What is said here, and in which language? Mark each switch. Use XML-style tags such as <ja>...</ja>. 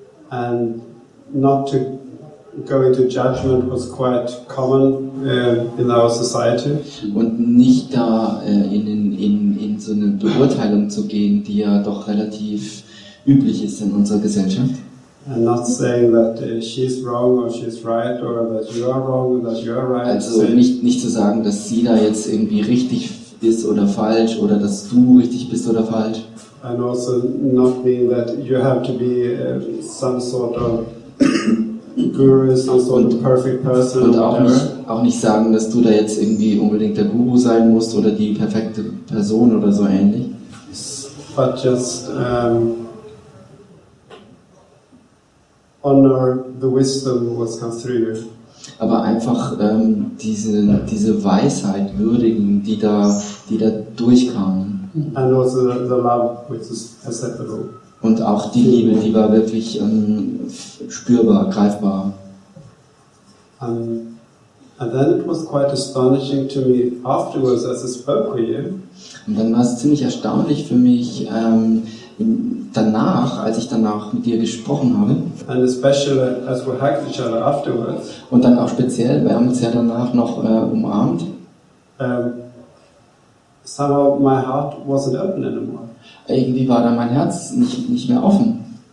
<en>And not to go into judgment was quite common in our society.</en> <de>Und nicht da in so eine Beurteilung zu gehen, die ja doch relativ üblich ist in unserer Gesellschaft.</de> <en>And not saying that she's wrong or she's right or that you are wrong or that you are right.</en> <de>Also nicht zu sagen, dass sie da jetzt irgendwie richtig ist oder falsch oder dass du richtig bist oder falsch.</de> <en>And also not mean that you have to be some sort of Guru, some sort of perfect person.</en> <de>Und auch nicht sagen, dass du da jetzt irgendwie unbedingt der Guru sein musst oder die perfekte Person oder so ähnlich.</de> <en>But just honor the wisdom that comes through you.</en> <de>Aber einfach diese Weisheit würdigen, die da durchkam.</de> <en>And also the love which is acceptable.</en> <de>Und auch die Liebe, die war wirklich spürbar, greifbar.</de> <en>And then it was quite astonishing to me afterwards as I spoke with you.</en> <de>Und dann war es ziemlich erstaunlich für mich danach, als ich danach mit dir gesprochen habe.</de> <en>And especially as we hugged each other afterwards.</en> <de>Und dann auch speziell, wir haben uns ja danach noch umarmt.</de> <en>Somehow my heart wasn't open anymore.</en> <de>Irgendwie war da mein Herz nicht mehr offen.</de>